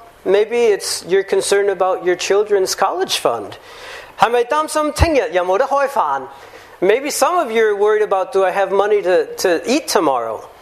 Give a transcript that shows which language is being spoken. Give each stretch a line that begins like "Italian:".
English: Maybe it's you're concerned about your children's college fund.
Chinese: 是不是担心明天有没得开饭?
English: Maybe some of you are worried about, do I have money to eat tomorrow?